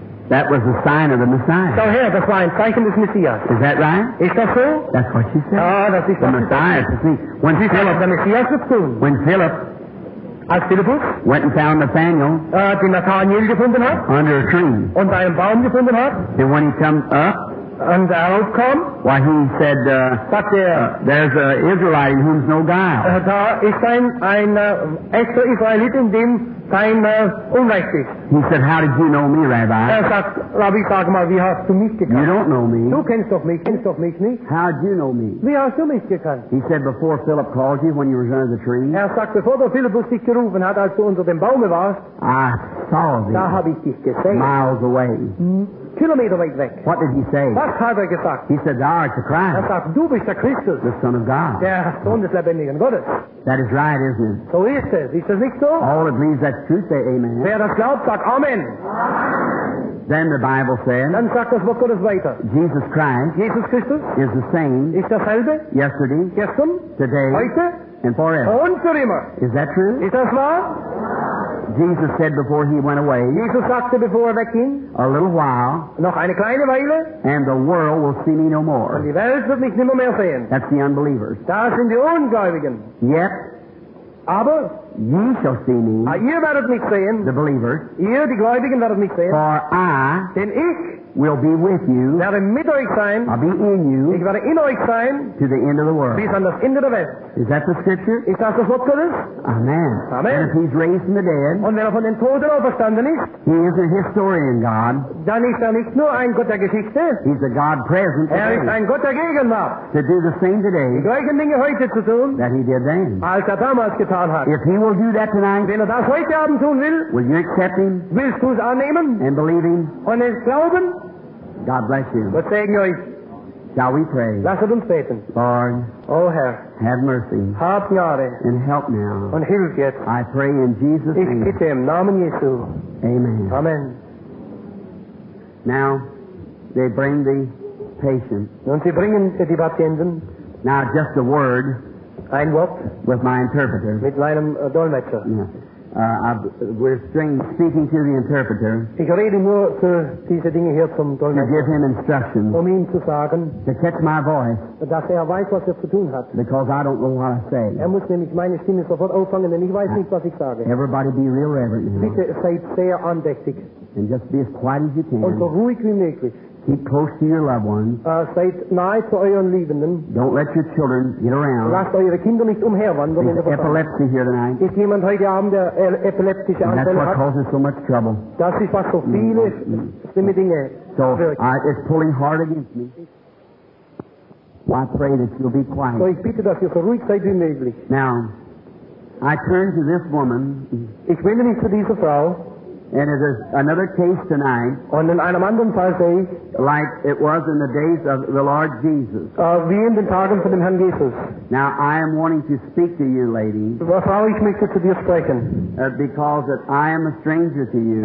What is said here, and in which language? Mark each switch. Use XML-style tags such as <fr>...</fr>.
<en>That was the sign of the Messiah. So here, that's why I'm thinking this Messiah. Is that right? Is that so? That's what she said. Ah, that's the Messiah. To see. When</en> <de>sie</de> <en>Philip, the Messias was soon. When Philip,</en> <de>als Philippus,</de> <en>went and found Nathaniel,</en> <de>den Nathaniel gefunden hat,</de> <en>under a tree,</en> <de>und einen Baum gefunden hat,</de> <en>and when he come up, and out come, why he said, there's an Israelite in whom's no guile.</en> <de>Da ist ein extra Israelit in dem kein Unrecht ist.</de> <en>He said, how did you know me, Rabbi?</en> <de>Sagt, Rabbi, sag mal, wie hast du mich gekannt?</de> <en>You don't know me.</en> <de>Du kennst doch mich nicht.</de> <en>How did you know me?</en> <de>Wie hast du mich gekannt?</de> <en>He said, before Philip called you when you were under the tree.</en> <de>Sagt, bevor der Philippus dich gerufen hat, als du unter dem Baum warst,</de> <en>I saw thee.</en> <de>Da hab ich dich gesehen.</de> <en>Miles away.</en> <de>Kilometer weit weg.</de> <en>What did he say?</en> <de>Was hat gesagt?</de> <en>He said, thou art the Christ.</en> <de>Sagt, du bist der Christus.</de> <en>The Son of God.</en> <de>Der Sohn des lebendigen Gottes.</de> <en>That is right, isn't it?</en> <de>So ist es. Ist es nicht so?</de> <en>All it means that's true, say amen.</en> <de>Wer das glaubt, sagt amen.</de> <en>Then the Bible said,</en> <de>dann sagt das Wort Gottes weiter.</de> <en>Jesus Christ,</en> <de>Jesus Christus,</de> <en>is the same,</en> <de>ist dasselbe,</de> <en>yesterday,</en> <de>gestern,</de> <en>today,</en> <de>heute,</de> <en>and forever.</en> <de>Und für immer.</de> <en>Is that true?</en> <de>Ist das wahr?</de> <en>Jesus said before he went away,</en> <de>Jesus sagte before er ging,</de> <en>a little while,</en> <de>noch eine kleine Weile,</de> <en>and the world will see me no more.</en> <de>Und die Welt wird mich nimmer mehr sehen.</de> <en>That's the unbelievers.</en> <de>Das sind die Ungläubigen.</de> <en>Yet,</en> <de>aber,</de> <en>ye shall see me,</en> <de>ihr werdet mich sehen,</de> <en>the believers,</en> <de>ihr die Gläubigen werdet mich sehen,</de> <en>for I,</en> <de>denn ich,</de> <en>will be with you,</en> <de>werde mit euch sein,</de> <en>I'll be in you,</en> <de>ich werde in euch sein,</de> <en>to the end of the world,</en> <de>bis an das Ende der Welt.</de> <en>Is that the scripture?</en> <de>Ist das das Wort Gottes?</de> <en>Amen.</en> <de>Amen.</de> <en>And if he's raised from the dead,</en> <de>und wenn von den Toten auferstanden ist,</de> <en>he is a historian God,</en> <de>dann ist nicht nur ein Gott der Geschichte,</de> <en>he's a God present today,</en> <de>ist ein Gott der Gegenwart,</de> <en>to do the same today,</en> <de>die gleichen Dinge heute zu tun,</de> <en>that he did then,</en> <de>als damals getan hat.</de> <en>If he will do that tonight,</en> <de>wenn das heute Abend tun</de> <en>will you accept him?</en> <de>Willst du es annehmen?</de> <en>And believe him?</en> <de>Und es glauben?</de> <en>God bless you.</en> <de>Gott segne euch.</de> <en>Shall we pray?</en> <de>Lasset uns beten.</de> <en>Lord,</en> <de>oh Herr,</de> <en>have mercy.</en> <de>Hab Gnade.</de> <en>And help now.</en> <de>Und hilf jetzt.</de> <en>I pray in Jesus' name.</en> <de>Ich bitte im Namen Jesu.</de> <en>Amen.</en> <de>Amen.</de> <en>Now, they bring the patient.</en> <de>Und sie bringen die Patienten.</de> <en>Now, just a word.</en> <de>Ein Wort.</de> <en>With my interpreter.</en> <de>Mit meinem Dolmetscher.</de> <en>Yeah. We're speaking to the interpreter.</en> <de>Ich rede nur zu diese Dinge hier zum Dolmetscher.</de> <en>To give him instructions.</en> <de>Um ihm zu sagen.</de> <en>To catch my voice.</en> <de>Dass weiß, was zu tun hat.</de> <en>Because I don't know what I say.</en> <de>Muss nämlich meine Stimme sofort auffangen, denn ich weiß nicht, was ich sage.</de> <en>Everybody be real reverent.</en> <de>Bitte seid sehr andächtig.</de> <en>And just be as quiet as you can.</en> <de>Und so ruhig wie möglich.</de> <en>Keep close to your loved ones.</en> <de>Seid nahe zu euren Liebenden.</de> <en>Don't let your children get around.</en> <de>Lasst eure Kinder nicht umherwandern.</de> <en>Is epilepsy here tonight?</en> <de>Ist jemand heute Abend, der epileptische Anfälle hat?</de> <en>And that's what causes so much trouble.</en> <de>Das ist, was so viele schlimme Dinge wirkt.</de> <en>So, it's pulling hard against me. Well, I pray that you'll be quiet.</en> <de>So, ich bitte, dass ihr so ruhig seid wie möglich.</de> <en>Now, I turn to this woman.</en> <de>Ich wende mich zu dieser Frau.</de> <en>And it is another case tonight.</en> <de>Und in einem anderen Fall sehe ich,</de> <en>like it was in the days of the Lord Jesus.</en> <de>Wie in den Tagen von dem Herrn Jesus.</de> <en>Now I am wanting to speak to you, lady.</en> <de>Warum ich möchte zu dir sprechen?</de> <en>Because that I am a stranger to you.</en>